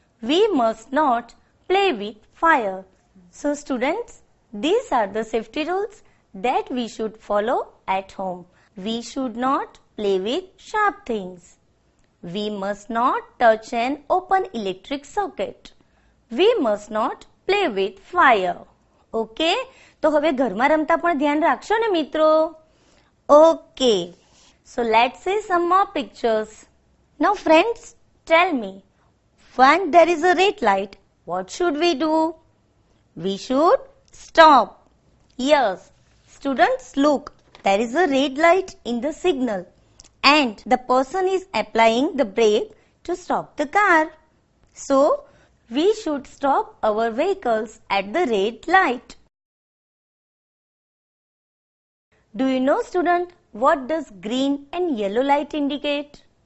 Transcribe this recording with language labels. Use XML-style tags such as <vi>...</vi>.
<en>We must not play with fire. So students, these are the safety rules that we should follow at home. We should not play with sharp things. We must not touch an open electric socket. We must not play with fire. Okay?</en> <gu>તો હવે ઘરમાં રમતા પણ ધ્યાન રાખશો ને મિત્રો.</gu> <en>Okay, so let's see some more pictures. No friends, tell me, when there is a red light, what should we do? We should stop. Yes students, look, there is a red light in the signal and the person is applying the brake to stop the car. So we should stop our vehicles at the red light. Do you know, student, what does green and yellow light indicate?</en>